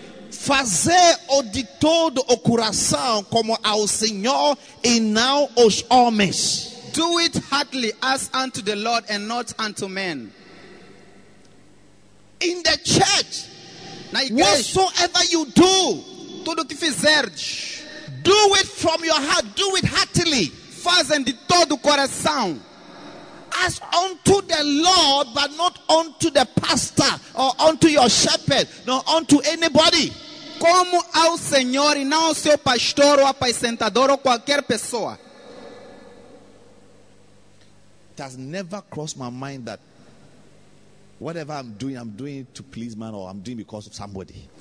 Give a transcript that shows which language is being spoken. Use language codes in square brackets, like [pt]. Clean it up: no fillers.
[pt] Fazer o de todo o coração como ao Senhor e não aos homens. [en] Do it heartily as unto the Lord and not unto men. In the church, [pt] na igreja, [en] whatsoever you do, [pt] tudo que fizerdes, [en] do it from your heart, do it heartily. [pt] Fazem de todo o coração. [en] As unto the Lord, but not unto the pastor or unto your shepherd, nor unto anybody. [pt] Como ao Senhor e não ao seu pastor ou apacentador ou qualquer pessoa. [en] It has never crossed my mind that whatever I'm doing to please man or I'm doing because of somebody.